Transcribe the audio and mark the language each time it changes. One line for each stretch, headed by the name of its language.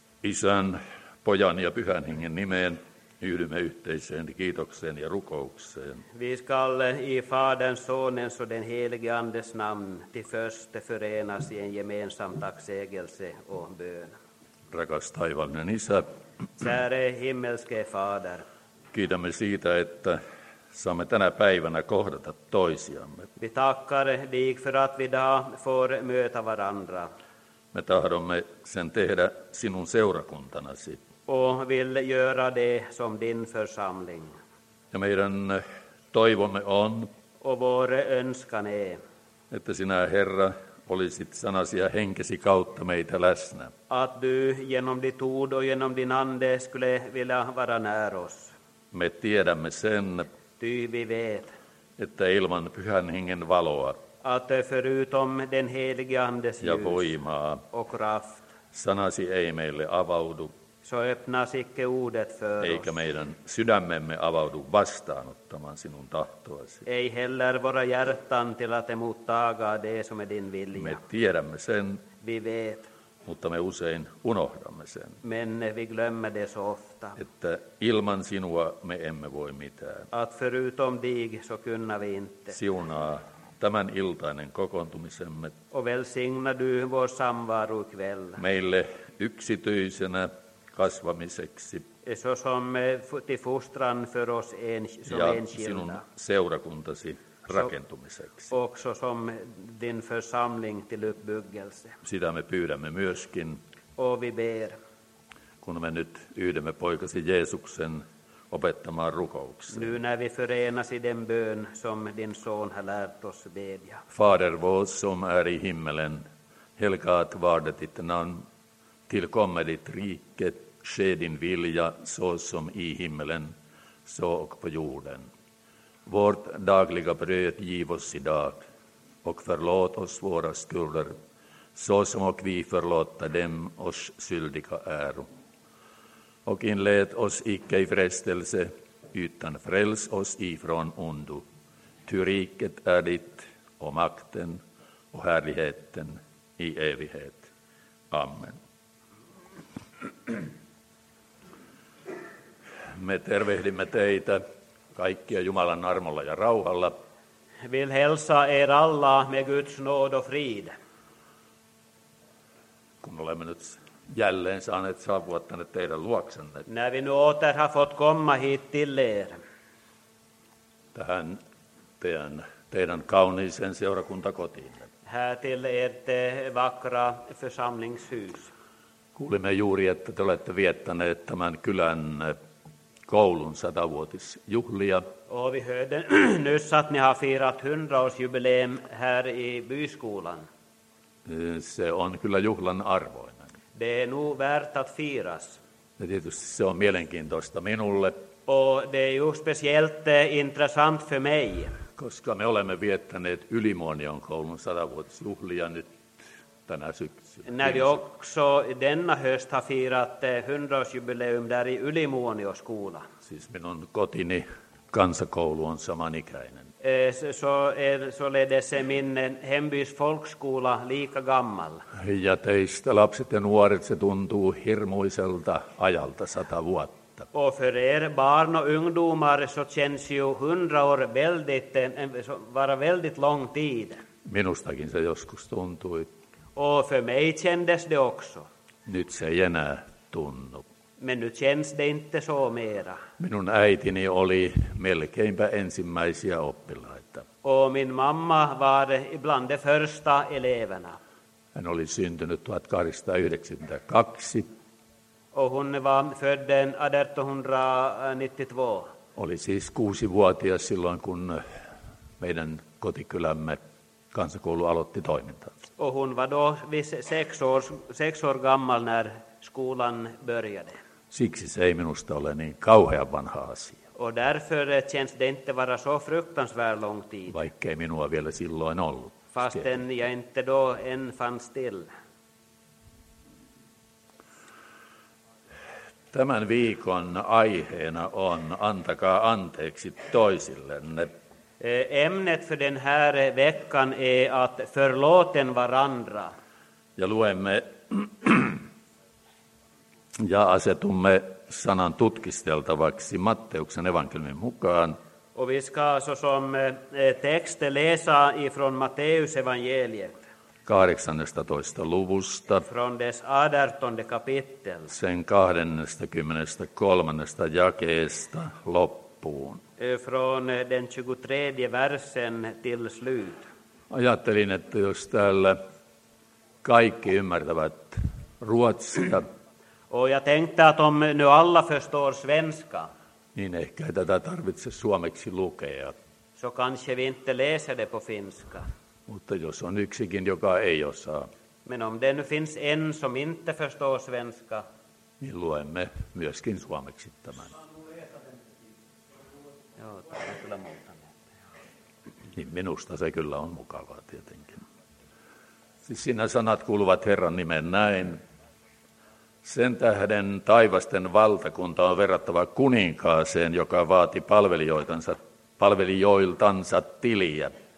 Finnish: Isän, Pojan ja Pyhän Hengen nimeen yhdymme yhteiseen kiitokseen ja rukoukseen.
Swedish: Vi skall i Faderns, Sonens och den helige Andes namn till först förenas i en gemensam tacksägelse och bön.
Finnish: Rakas taivallinen Isä,
Swedish: Käre himmelske Fader,
Finnish: kiitämme siitä, että saamme tänä päivänä kohdata toisiamme.
Swedish: Vi tackar dig för att vi idag får möta varandra.
Finnish: Me tahdomme sen tehdä sinun seurakuntanasi.
Swedish: Och vill göra det som din församling.
Finnish: Ja meidän toivomme on.
Swedish: Och vår önskan är.
Finnish: Että sinä, Herra, olisit sanasi ja henkesi kautta meitä läsnä.
Swedish: Att du genom ditt ord och genom din ande skulle vilja vara när oss.
Finnish: Me tiedämme sen.
Swedish: Ty vi vet.
Finnish: Että ilman Pyhän Hengen valoa.
Swedish: Att förutom den helige Andes
Finnish: ja voimaa
Swedish: och kraft,
Finnish: sanasi ei meille avaudu,
Swedish: så öppnas icke ordet för oss,
Finnish: eikä meidän sydämemme avaudu vastaanottamaan sinun tahtoasi,
Swedish: ei heller våra hjärtan till att emottaga det som är din vilja.
Finnish: Me tiedämme sen,
Swedish: vi vet,
Finnish: mutta me usein unohdamme sen,
Swedish: men vi glömmer det så ofta,
Finnish: että ilman sinua me emme voi mitään,
Swedish: att förutom dig så kunna vi inte.
Finnish: Siunaa tämän iltainen kokoontumisemme.
Swedish: Och välsigna du vår samvaro kväll.
Finnish: Meille yksityisenä kasvamiseksi.
Swedish: Så som till fostran för oss enskilda.
Finnish: Ja sinun seurakuntasi rakentumiseksi.
Swedish: Också som din församling till uppbyggelse.
Finnish: Sitä me pyydämme myöskin.
Swedish: Och vi ber.
Finnish: Kun me nyt yhdemme poikasi Jeesuksen opettamaan rukouksen.
Swedish: Nu när vi förenas i den bön som din son har lärt oss bedja. Fader vår som är i himmelen, helgat varde ditt namn, tillkomme ditt rike, ske din vilja så som i himmelen, så och på jorden. Vårt dagliga bröd giv oss idag, och förlåt oss våra skulder, så som och vi förlåta dem oss syldiga äro. Och inled oss icke i frestelse, utan fräls oss ifrån ondo. Ty riket är ditt, och makten och härligheten i evighet. Amen.
Finnish: Me tervehdimme teitä kaikkia Jumalan armolla ja rauhalla.
Swedish: Vill hälsa er alla med Guds nåd och frid.
Finnish: Kun olemme nyt jälleen saaneet saapua tänne teidän luoksenne.
Swedish: När vi nu åter har fått komma hit till er.
Finnish: Tähän teidän kauniiseen seurakuntakotiinne.
Swedish: Här till ert vackra församlingshus.
Finnish: Kuulimme juuri, että te olette viettäneet tämän kylän koulun 100-vuotisjuhlia.
Swedish: Och vi hörde nyss att ni har firat 100-årsjubileum här i byskolan.
Finnish: Se on kyllä juhlan arvoinen.
Swedish: Det är nog värt att firas.
Finnish: Ja tietysti se on mielenkiintoista minulle.
Swedish: Och det är ju speciellt intressant för mig.
Finnish: Koska me olemme viettäneet Ylimuonion koulun 100-vuotisjuhlia nyt tänä syksyllä.
Swedish: När vi också denna höst har firat 100-årsjubileum där i Ylimuonioskola.
Finnish: Siis minun kotini kansakoulu on samanikäinen.
Swedish: Så är det min hembys folkskola lika gammal.
Finnish: Ja teistä lapset ja nuoret, se tuntuu hirmuiselta ajalta 100 vuotta.
Swedish: Och för er barn och ungdomar så känns ju 100 år väldigt lång tid.
Finnish: Minustakin se joskus tuntui.
Swedish: Och för mig kändes det också.
Finnish: Nyt se ei enää tunnu.
Swedish: Men nu känns det inte så mera.
Finnish: Minun äitini oli melkeinpä ensimmäisiä oppilaita.
Swedish: Och min mamma var bland de första eleverna.
Finnish: Hän oli syntynyt 1892.
Swedish: Och hon var född 1892.
Finnish: Oli siis 6-vuotias silloin, kun meidän kotikylämme kansakoulu aloitti toimintansa.
Swedish: Och hon var då 6 år gammal när skolan började.
Finnish: Siksi se ei minusta ole niin kauhean vanha asia.
Swedish: Och därför känns det inte vara så fruktansvärt lång tid.
Finnish: Vaikkei minua vielä silloin ollut.
Swedish: Fasten jag inte då än fanns till.
Finnish: Tämän viikon aiheena on antakaa anteeksi toisillenne.
Swedish: Ämnet för den här veckan är att förlåten varandra.
Finnish: Ja luemme Ja asetumme sanan tutkisteltavaksi Matteuksen evankeliumin mukaan.
Swedish: Och vi ska så som text läsa ifrån Matteus evangeliet.
Finnish: 18. luvusta.
Swedish: Från dess 18 kapitel.
Finnish: Sen 23. jakeesta loppuun.
Swedish: Från den 23 versen till slut.
Finnish: Ajattelin, että jos täällä kaikki ymmärtävät ruotsia.
Swedish: Och jag tänkte att om nu alla förstår svenska.
Finnish: Niin ehkä ei tätä tarvitse suomeksi lukea.
Swedish: Så kanske vi inte läser det på finska.
Finnish: Mutta jos on yksikin, joka ei osaa.
Swedish: Men om det nu finns en som inte förstår svenska.
Finnish: Niin luemme myöskin suomeksi tämän. Joo, tämä on kyllä muuta. Niin minusta se kyllä on mukavaa tietenkin. Siis siinä sanat kuuluvat Herran nimen näin. Sen tähden taivasten valtakunta on verrattava kuninkaaseen, joka vaati palvelijoiltansa tiliä.